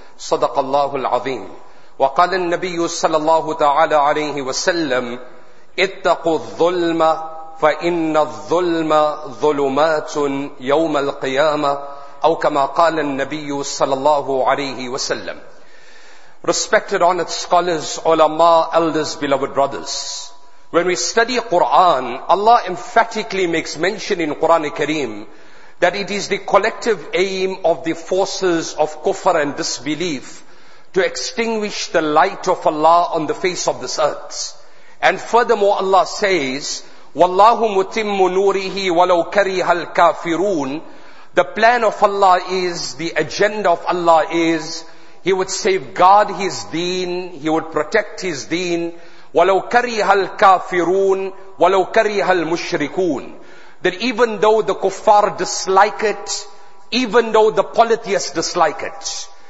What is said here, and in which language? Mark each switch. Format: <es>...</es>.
<ar>صدق الله العظيم. وقال النبي صلى الله تعالى عليه وسلم: اتقوا الظلم فإن الظلم ظلمات يوم القيامة، أو كما قال النبي صلى الله عليه وسلم.</ar> <en>Respected honored scholars, ulama, elders, beloved brothers, when we study Quran, Allah emphatically makes mention in Quran Kareem that it is the collective aim of the forces of kufr and disbelief to extinguish the light of Allah on the face of this earth. And furthermore, Allah says,</en> <ar>وَاللَّهُ مُتِمُّ نُورِهِ وَلَوْ كَرِهَ الْكَافِرُونَ.</ar> <en>The plan of Allah is, the agenda of Allah is, He would safeguard His deen, He would protect His deen.</en> <ar>وَلَوْ كَرِهَ الْكَافِرُونَ وَلَوْ كَرِهَ الْمُشْرِكُونَ.</ar> <en>That even though the kuffar dislike it, even though the polytheists dislike it.</en>